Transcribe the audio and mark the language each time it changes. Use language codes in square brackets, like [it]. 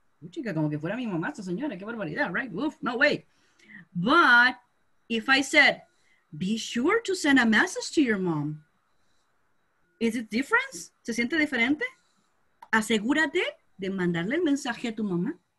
[es] Uy, chica, como que fuera mi mamá esta señora, qué barbaridad, right? [en] Oof, no way. But if I said, be sure to send a message to your mom, is it different? [es] ¿Se siente diferente? Asegúrate de mandarle el mensaje a tu mamá.